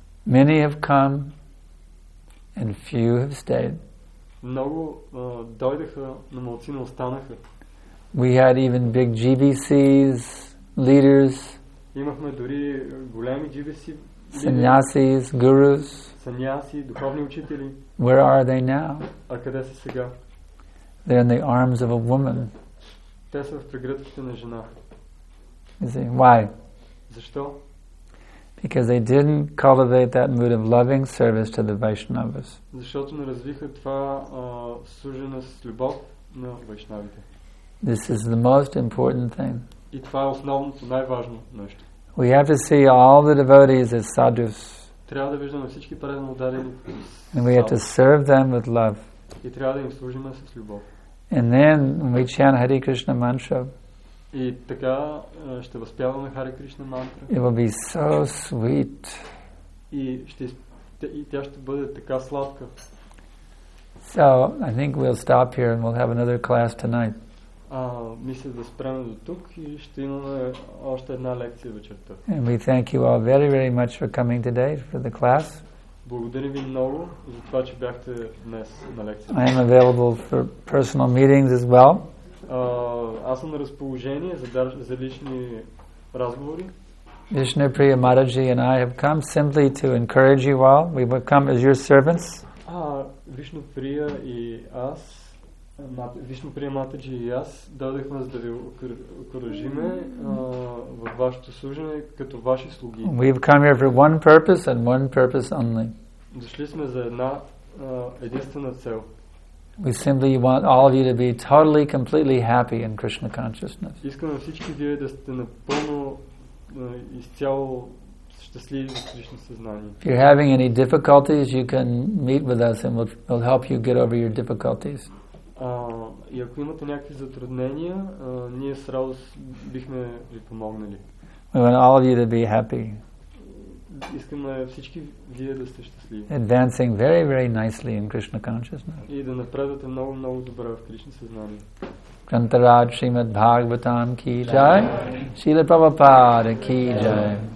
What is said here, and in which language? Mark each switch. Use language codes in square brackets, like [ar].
[en] Many have come and few have stayed. [bg] Много дойдеха, но малцина останаха. [en] We had even big GBCs, leaders. [bg] Имахме дори големи GBC лидери. Саньясис, гурус. Саньяси, духовни учители. [en] Where are they now? [bg] А къде са сега? [en] They're in the arms of a woman. [bg] Те са в прегръдките на жена. [en] You see, why? [bg] Защо? [en] Because they didn't cultivate that mood of loving service to the Vaishnavas. [bg] Защото не развиха това служене с любов на вайшнавите. [en] This is the most important thing. [bg] И това е основното, най-важно нещо. [en] We have to see all the devotees as sadhus. [bg] Трябва да виждаме всички преданно дарени. [en] And we have to serve them with love. [bg] И трябва да им служиме с любов. [en] And then we chant Hare Krishna mantra. [bg] И така ще възпяваме Хари Кришна мантра. [en] It will be so sweet. [bg] И тя ще бъде така сладка. [en] So, I think we'll stop here and we'll have another class tonight. [bg] Мисля да спрем до тук и ще имаме още една лекция вечерта. [en] And we thank you all very, very much for coming today for the class. [bg] Благодарим ви много за това, че бяхте днес на лекция. [en] I am available for personal meetings as well. [bg] Аз съм на разположение за лични разговори. [en] Vishnupriya Mataji and I have come simply to encourage you all. We have come as your servants. [bg] Vishnupriya и аз, Vishnupriya Mataji и аз дойдохме за да ви окоръжиме във вашето служене като ваши слуги. [en] We have come here for one purpose and one purpose only. [bg] Дошли сме за една единствена цел. [en] We simply want all of you to be totally, completely happy in Krishna consciousness. [bg] Искам всички вие да сте напълно изцяло щастливи в Кришна съзнание. [en] If you're having any difficulties, you can meet with us and we'll help you get over your difficulties. [bg] И ако имате някакви затруднения, ние с радост бихме ви помогнали. [en] We want all of you to be happy. [bg] Искаме всички вие да сте щастливи. [en] Advancing very, very nicely in Krishna consciousness. [bg] И да напредвате много, много добре в Кришна съзнание. Грантарад Шримад Бхагаватам ки джай. Шрила Прабхупада ки джай.